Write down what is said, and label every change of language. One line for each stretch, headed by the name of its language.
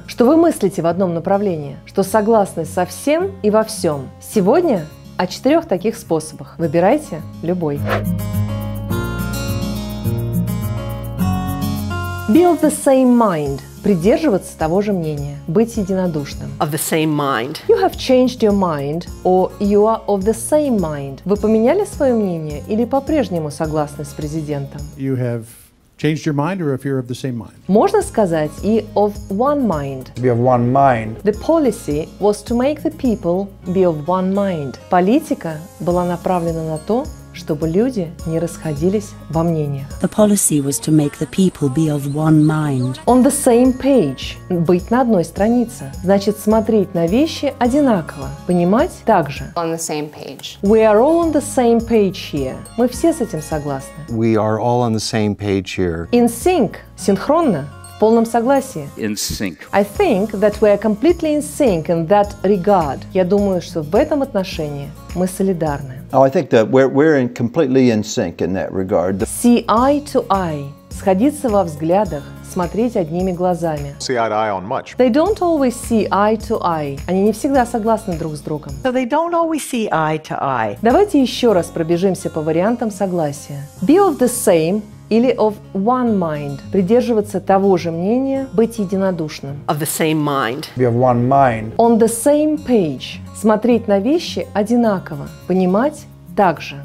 Russian: Что вы мыслите в одном направлении? Что согласны со всем и во всем? Сегодня о четырех таких способах. Выбирайте любой.
English: Be of the same mind.
Russian: Придерживаться того же мнения. Быть единодушным.
English: Of the same mind. You have changed your mind or you are of the same mind.
Russian: Вы поменяли свое мнение или по-прежнему согласны с президентом?
English: You have changed your mind or if you're of the same mind.
Russian: Можно сказать и
English: of one mind. Be of one mind. The policy was to make the people be of one mind.
Russian: Политика была направлена на то, чтобы люди не расходились во мнениях.
English: The policy was to make the people be of one mind. On the same page.
Russian: Быть на одной странице. Значит, смотреть на вещи одинаково. Понимать так же.
English: On the same page. We are all on the same page here.
Russian: Мы все с этим согласны.
English: We are all on the same page here. In sync.
Russian: Синхронно. В полном согласии.
English: In sync. I think that we are completely in sync in that regard.
Russian: Я думаю, что в этом отношении мы солидарны.
English: Oh, I think that we're in completely in sync in that regard. See eye to eye.
Russian: Сходиться во взглядах. Смотреть одними глазами.
English: See eye to eye on much. They don't always see eye to eye.
Russian: Они не всегда согласны друг с другом.
English: So they don't always see eye to eye.
Russian: Давайте еще раз пробежимся по вариантам согласия.
English: Be of the same. Или of one mind.
Russian: Придерживаться того же мнения, быть единодушным.
English: Of the same mind. Be of one mind. On the same page.
Russian: Смотреть на вещи одинаково. Понимать так же.